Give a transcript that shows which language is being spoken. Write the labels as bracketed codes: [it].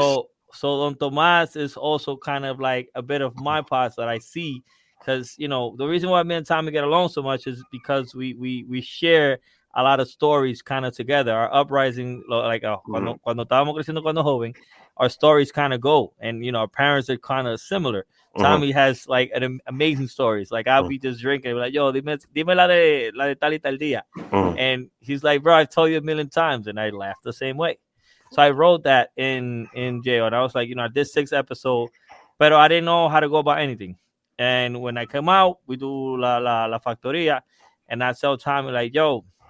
[en] So Don Tomas is also kind of like a bit of my past that I see, because, you know, the reason why me and Tommy get along so much is because we share a lot of stories kind of together. Our uprising, like, [es] cuando estábamos creciendo, cuando joven, [en] our stories kind of go. And, you know, our parents are kind of similar. Tommy has, like, an amazing stories. Like, I'll be just drinking. [es] Like, yo, dime la de tal y tal día. [en] And he's like, bro, I've told you a million times. And I laughed the same way. So I wrote that in jail. And I was like, you know, this 6 episode. But I didn't know how to go about anything. And when I come out, we do la factoria. And I tell Tommy, like, yo,